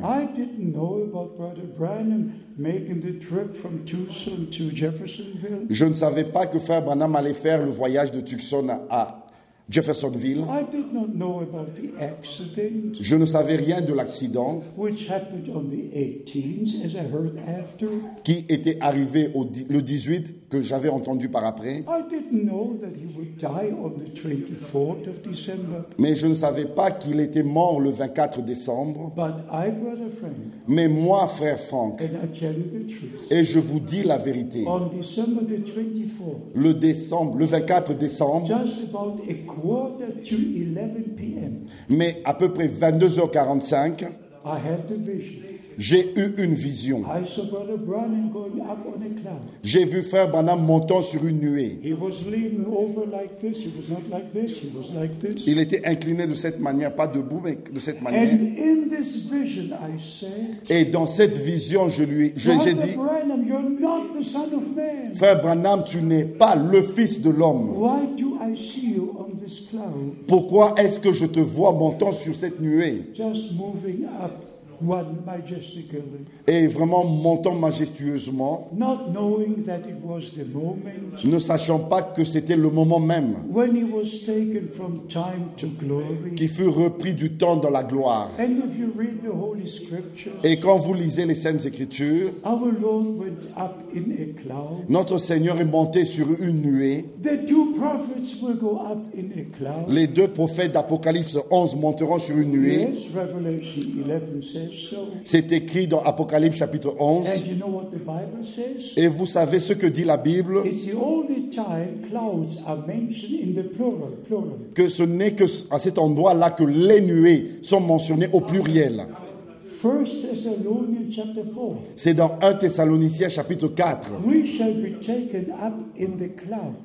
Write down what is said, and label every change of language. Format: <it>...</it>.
<en>I didn't know about Brother Branham making the trip from Tucson to Jeffersonville.</en> <fr>Je ne savais pas que Frère Branham allait faire le voyage de Tucson à Jeffersonville.</fr> <en>I did not know about the accident.</en> <fr>Je ne savais rien de l'accident.</fr> <en>Which happened on the 18th, as I heard after.</en> <fr>Qui était arrivé le 18 que j'avais entendu par après.</fr> <en>I didn't know that he would die on the 24th of December.</en> <fr>Mais je ne savais pas qu'il était mort le 24 décembre.</fr> <en>But I, Brother Frank,</en> <fr>mais moi, Frère Frank,</fr> <en>and I tell you the truth.</en> <fr>Et je vous dis la vérité.</fr> <en>On December the 24th,</en> <fr>le 24 décembre,</fr> <en>just about a quarter to 11 p.m.</en> <fr>mais à peu près 22h45,</fr> <en>I had the vision.</en> <fr>J'ai eu une vision.</fr> <en>I saw Brother Branham going up on a cloud.</en> <fr>J'ai vu Frère Branham montant sur une nuée.</fr> <en>He was leaning over like this. He was not like this. He was like this.</en> <fr>Il était incliné de cette manière, pas debout, mais de cette manière.</fr> <en>And in this vision, I said,</en> <fr>et dans cette vision, j'ai dit,</fr> <en>Branham, you're not the son of man.</en> <fr>Frère Branham, tu n'es pas le fils de l'homme.</fr> <en>Why do I see you on this cloud?</en> <fr>Pourquoi est-ce que je te vois montant sur cette nuée?</fr> <en>Just moving up. One majestically.</en> <fr>Et vraiment montant majestueusement,</fr> <en>not knowing that it was the moment,</en> <fr>ne sachant pas que c'était le moment même,</fr> <en>when he was taken from time to glory,</en> <fr>qui fut repris du temps dans la gloire.</fr> <en>And if you read the Holy Scriptures,</en> <fr>et quand vous lisez les Saintes Écritures,</fr> <en>our Lord went up in a cloud,</en> <fr>notre Seigneur est monté sur une nuée.</fr> <en>The two prophets will go up in a cloud.</en> <fr>Les deux prophètes d'Apocalypse 11 monteront sur une nuée.</fr> <en>Yes, Revelation 11 says.</en> <fr>C'est écrit dans Apocalypse chapitre 11.</fr> <en>And you know what the Bible says?</en> <fr>Et vous savez ce que dit la Bible?</fr> <en>It's the only time clouds are mentioned in the plural, plural.</en> <fr>Que ce n'est que à cet endroit-là que les nuées sont mentionnées au pluriel.</fr> <en>First Thessalonians chapter 4.</en> <fr>C'est dans 1 Thessaloniciens chapitre 4.</fr> <en>We shall be taken up in the clouds.</en>